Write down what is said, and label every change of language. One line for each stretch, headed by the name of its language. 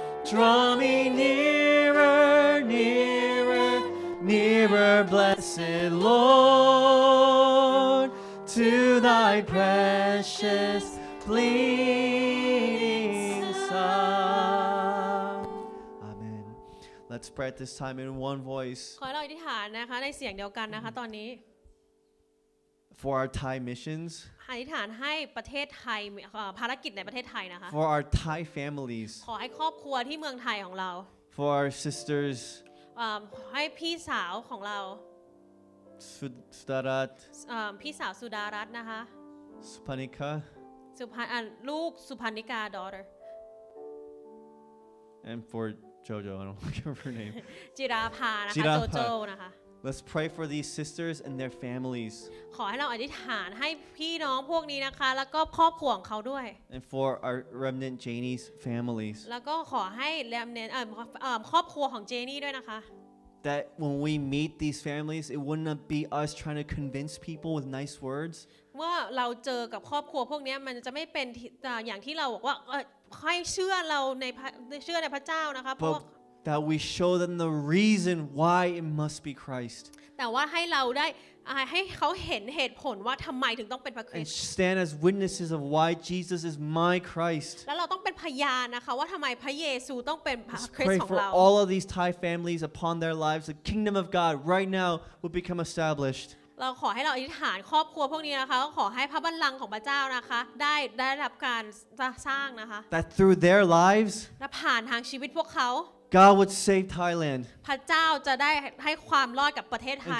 English: Draw me nearer, nearer, nearer, blessed Lord, to thy precious bleeding side. Amen. Let's pray at this time in one voice.
Thai: ขอให้เราอธิษฐานนะคะในเสียงเดียวกันนะคะตอนนี้
English: For our Thai missions.
Thai: อธิษฐานให้ประเทศไทยภารกิจในประเทศไทยนะคะ
English: For our Thai families.
Thai: ขอให้ครอบครัวที่เมืองไทยของเรา
English: For our sisters.
Thai: ให้พี่สาวของเรา สุดารัต พี่สาวสุดารัตนะคะ สุภานิกา สุภาลูกสุภานิกา
English: daughter. And for Jojo, I don't remember her name.
Thai: จิราภานะคะโจโจนะคะ
English: Let's pray for these sisters and their families.
Thai: ขอให้เราอธิษฐานให้พี่น้องพวกนี้นะคะแล้วก็ครอบครัวของเขาด้วย
English: And for our remnant Janie's families.
Thai: แล้วก็ขอให้ remnant ครอบครัวของ Janie ด้วยนะคะ
English: That when we meet these families, it wouldn't be us trying to convince people with nice words.
Thai: ว่าเราเจอกับครอบครัวพวกนี้มันจะไม่เป็นอย่างที่เราบอกว่าให้เชื่อเราในเชื่อในพระเจ้านะคะพวก
English: That we show them the reason why it must be Christ.
Thai: แต่ว่าให้เราได้ให้เขาเห็นเหตุผลว่าทำไมถึงต้องเป็นพระคริสต์
English: And stand as witnesses of why Jesus is my Christ.
Thai: แล้วเราต้องเป็นพยานนะคะว่าทำไมพระเยซูต้องเป็นพระคริสต์ของเรา
English: Pray for all of these Thai families upon their lives. The kingdom of God right now will become established.
Thai: เราขอให้เราอธิษฐานครอบครัวพวกนี้นะคะขอให้พระบัลลังก์ของพระเจ้านะคะได้รับการสร้างนะคะ
English: That through their lives.
Thai: และผ่านทางชีวิตพวกเขา
English: God would save Thailand.
Thai: พระเจ้าจะได้ให้ความรอดกับประเทศไทย